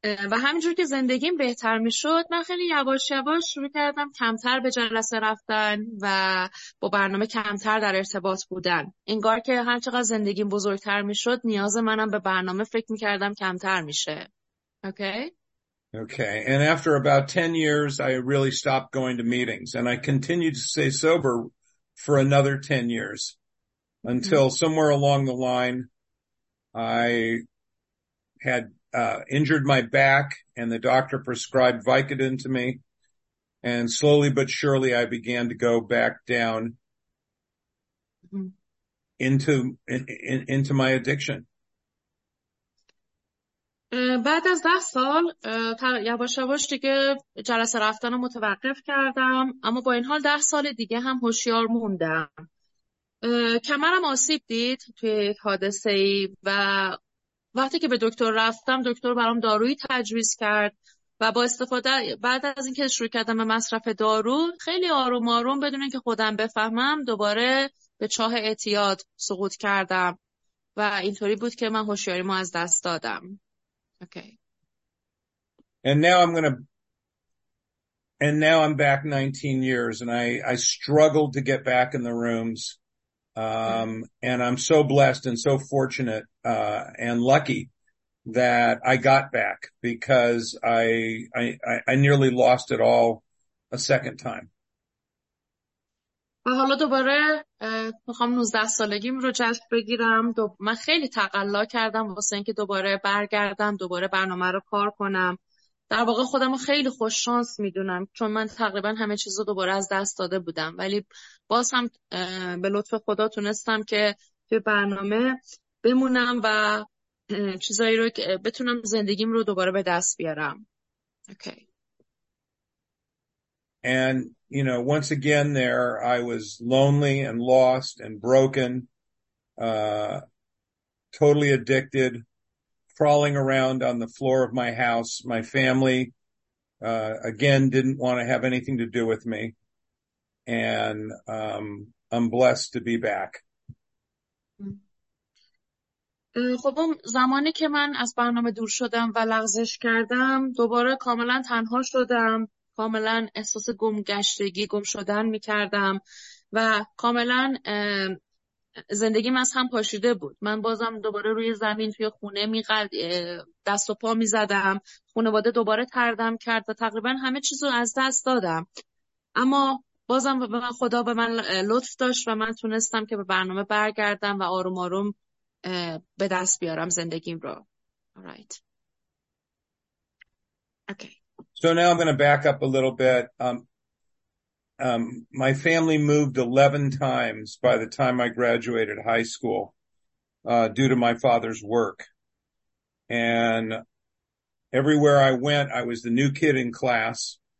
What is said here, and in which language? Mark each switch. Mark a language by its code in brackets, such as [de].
[fa] و همینجور که زندگیم بهتر می شد، من خیلی یواش یواش شروع کردم کمتر به جلسه رفتن و با برنامه کمتر در ارتباط بودن. انگار که هرچقدر زندگیم بزرگتر می شد، نیاز منم به برنامه فکر می کردم کمتر می شه. [en] Okay. And after about 10 years, I really stopped going to meetings. And I continued to stay sober for another 10 years. Until somewhere along the line, I had injured my back and the doctor prescribed Vicodin to me, and slowly but surely I began to go back down into my addiction. [fa] بعد از 10 سال یواش یواش دیگه جلسه رفتن رو متوقف کردم، اما با این حال 10 سال دیگه هم هوشیار موندم. کمرم آسیب دید توی حادثه‌ای و وقتی که به دکتر رفتم، دکتر برام دارویی تجویز کرد و با استفاده بعد از اینکه شروع کردم به مصرف دارو، خیلی آروم آروم بدون اینکه خودم بفهمم دوباره به چاه اعتیاد سقوط کردم و اینطوری بود که من هوشیاریمو از دست دادم. [en] Okay. And now I'm back 19 years, and I struggled to get back in the rooms. And I'm so blessed and so fortunate and lucky that I got back, because I nearly lost it all a second time. [fa] و حالا دوباره میخوام 19 سالگیم رو جشن بگیرم. من خیلی تقلا کردم واسه اینکه دوباره برگردم، دوباره برنامه رو کار کنم. در واقع خودم رو خیلی خوش شانس میدونم، چون من تقریبا همه چیز رو دوباره از دست داده بودم، ولی باز هم به لطف خدا تونستم که توی برنامه بمونم و چیزایی رو که بتونم زندگیم رو دوباره به دست بیارم. [en] Okay. And, you know, once again there, I was lonely and lost and broken, totally addicted, crawling around on the floor of my house. My family, again, didn't want to have anything to do with me. And I'm blessed to be back. [fa] خب زمانی که من از برنامه دور شدم و لغزش کردم، دوباره کاملا تنها شدم، کاملا احساس گمگشتگی، گم شدن می کردم و کاملا زندگیم از هم پاشیده بود. من بازم دوباره روی زمین توی خونه می قلد، دست و پا می زدم، خانواده دوباره تردم کرد و تقریبا همه چیزو از دست دادم، اما بازم خدا به من لطف داشت و من تونستم که به برنامه برگردم و آروم آروم به دست بیارم زندگیم رو. [en] Alright. Okay. So now I'm going to back up a little bit. My family moved 11 times by the time I graduated high school due to my father's work. And everywhere I went, I was the new kid in class.